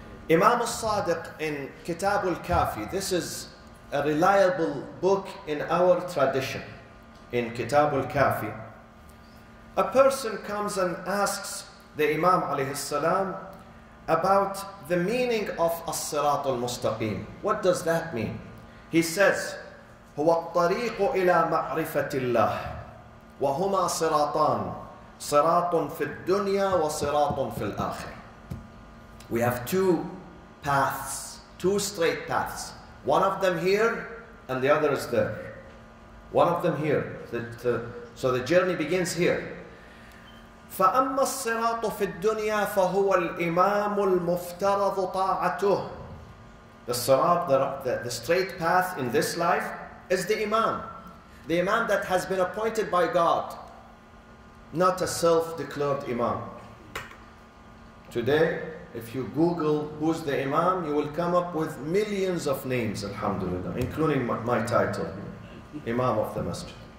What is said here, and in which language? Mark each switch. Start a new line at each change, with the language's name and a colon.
English: Imam al-Sadiq in Kitab al-Kafi, this is a reliable book in our tradition. In Kitab al-Kafi, a person comes and asks the Imam alayhi salam about the meaning of As-Sirat al-Mustaqim. What does that mean? He says,
Arabic: هو الطريق إلى معرفة الله وهما صراطان صراط في الدنيا وصراط في الآخر.
English: We have two paths, two straight paths. One of them here and the other is there. One of them here. So the journey begins here.
Arabic: فأما الصراط في الدنيا فهو الإمام المفترض طاعته.
English: The sirat, the straight path in this life is the Imam that has been appointed by God, not a self-declared Imam. Today, if you Google who's the Imam, you will come up with millions of names, alhamdulillah, including my title, Imam of the Masjid.